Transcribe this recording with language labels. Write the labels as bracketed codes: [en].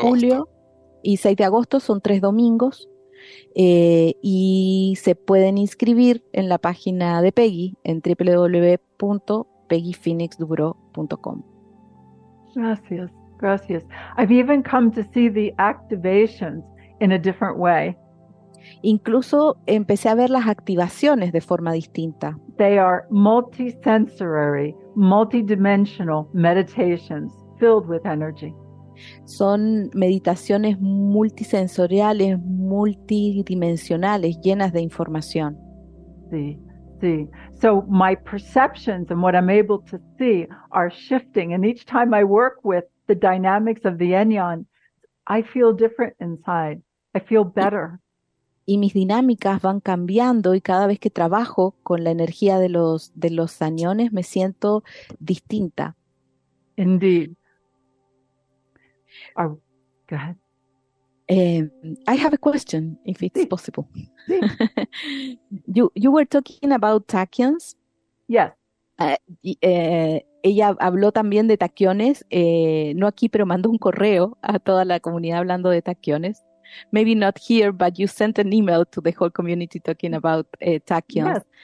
[es] Julio y 6 de agosto, son tres domingos, y se pueden inscribir en la página de Peggy en www.peggyphoenixduro.com. [en] Gracias. I've even come to see the activations in a different way. [es] Incluso empecé a ver las activaciones de forma distinta. [en] They are multisensory, multidimensional meditations filled with energy. [es] Son meditaciones multisensoriales, multidimensionales, llenas de información. Sí. [en] So my perceptions and what I'm able to see are shifting, and each time I work with the dynamics of the Enyan, I feel different inside. I feel better. [es] Y mis dinámicas van cambiando y cada vez que trabajo con la energía de los aniones me siento distinta. [en] Indeed. Oh, go ahead. I have a question, if it's [es] sí. [en] possible. [es] Sí. [en] You were talking about tachyons. Yes. [es] Ella habló también de tachyones, no aquí, pero mandó un correo a toda la comunidad hablando de tachyones. [en] Maybe not here, but you sent an email to the whole community talking about tachyons.